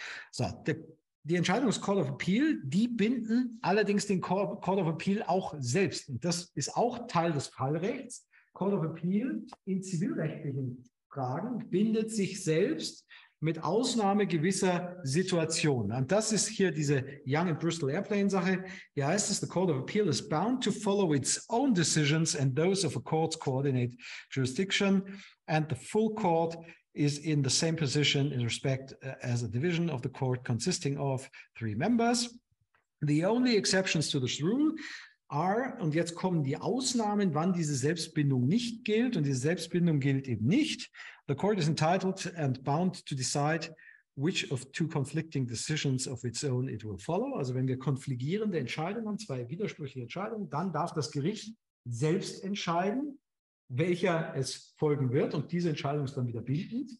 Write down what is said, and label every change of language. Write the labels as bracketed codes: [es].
[de] So, die Entscheidung des Court of Appeal, die binden allerdings den Court of Appeal auch selbst. Und das ist auch Teil des Fallrechts. Court of Appeal in zivilrechtlichen Fragen bindet sich selbst mit Ausnahme gewisser Situationen. Und das ist hier diese Young and Bristol Airplane Sache. Hier heißt es, [en] the Court of Appeal is bound to follow its own decisions and those of a court's coordinate jurisdiction and the full court is in the same position in respect as a division of the court consisting of 3 members. The only exceptions to this rule are, [de] und jetzt kommen die Ausnahmen, wann diese Selbstbindung nicht gilt, und diese Selbstbindung gilt eben nicht. [en] The court is entitled and bound to decide which of 2 conflicting decisions of its own it will follow. [de] Also wenn wir konfligierende Entscheidungen haben, 2 widersprüchliche Entscheidungen, dann darf das Gericht selbst entscheiden, welcher es folgen wird, und diese Entscheidung ist dann wieder bindend.